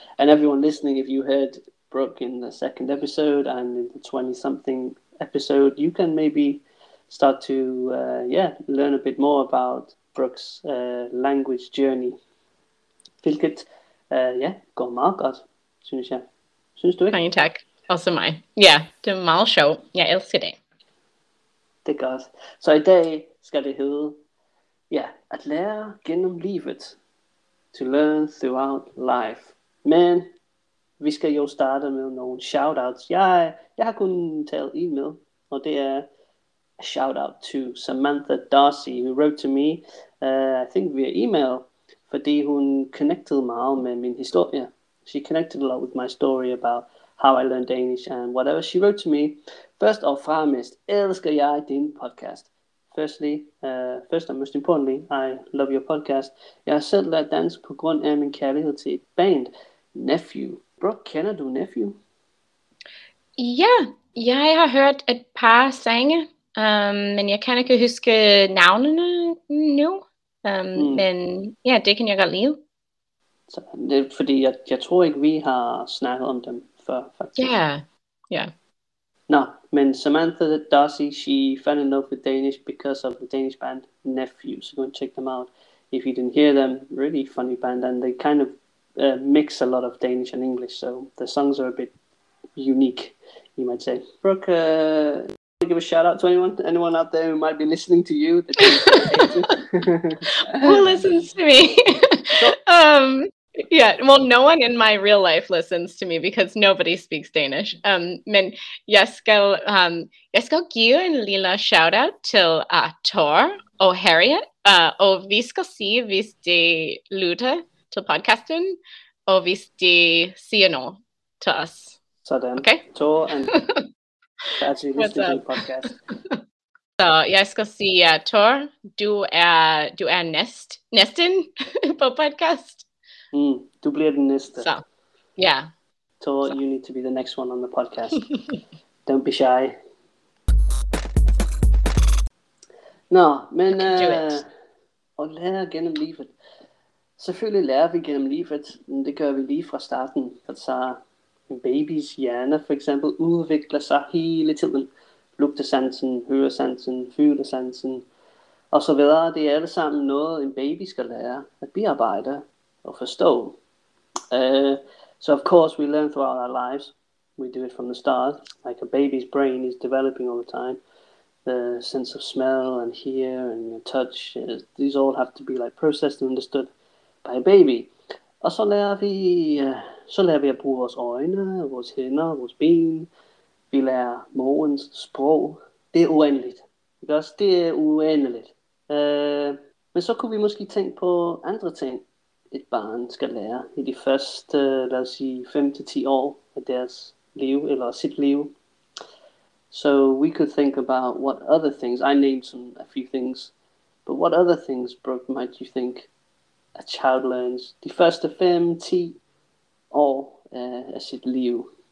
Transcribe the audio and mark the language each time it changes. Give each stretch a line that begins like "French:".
English: And everyone listening, if you heard Brooke in the second episode and in the 20-something episode, you can maybe start to learn a bit more about Brooke's language journey.
Danish: Hvilket går meget godt, synes jeg. Synes du ikke? Mange tak. Også mig. Ja, det er meget sjovt. Jeg elsker det. Det er godt. Så i dag skal det hedde, at lære gennem livet.
English: To learn throughout life.
Danish: Men vi skal jo starte med nogle shoutouts. Jeg har kun talt en med, og det er
English: a shoutout to Samantha Darcy, who wrote to me, I think via email,
Danish: fordi hun connected meget med min historie.
English: She connected a lot with my story about how I learned Danish and whatever she wrote to me.
Danish: First og fremmest, elsker jeg din podcast.
English: First and most importantly, I love your podcast.
Danish: Jeg har selv lært dansk på grund af min kærlighed til et band, Nephew. Brooke, kender du Nephew? Ja, jeg har hørt et par sange, men jeg kan ikke huske navnene nu. Men det kan jeg godt lide. Så, det er, fordi jeg tror ikke, vi har snakket om dem før, faktisk. Ja.
English: Nå, men Samantha Darcy, she fell in love with Danish because of the Danish band Nephew. So go and check them out if you didn't hear them. Really funny band, and they kind of mix a lot of Danish and English. So the songs are a bit unique, you might say. Brooke, want to give a shout out to anyone out there who might be listening to you? Who listens to me? Well, no one in my real life listens to me because nobody speaks Danish.
Danish: Men jeg skal give en lille shout out til Tor og Harriet. Og vi skal se hvis de lytter til podcasten og hvis de siger no til os.
English: Sådan. Okay. Tor and actually listening to the podcast.
Danish: Så jeg skal sige Tor, du er næsten på podcast. Mm, du bliver den næste. Så, ja.
English: So, you need to be the next one on the podcast. Don't be shy.
Danish: Nå, men at lære gennem livet. Selvfølgelig lærer vi gennem livet, men det gør vi lige fra starten. Altså, en babys hjerne for eksempel udvikler sig hele tiden. Lugtesansen, høresansen, følesansen og så videre. Det er allesammen noget, en baby skal lære at bearbejde. Og forstå.
English: So of course we learn throughout our lives. We do it from the start. Like a baby's brain is developing all the time. The sense of smell and hear and touch, these all have to be like processed and understood by a baby.
Danish: Og så lærer vi at bruge vores øjne, vores hænder, vores ben. Vi lærer morgens sprog. Det er uendeligt. Ikke også? Det er uendeligt. Men så kunne vi måske tænke på andre ting, et barn skal lære i de første, lad os sige, 5-10 år af deres liv, eller sit liv.
English: So we could think about what other things, I named some a few things, but what other things, Brooke, might you think a child learns the first of 5-10 or as it Liu?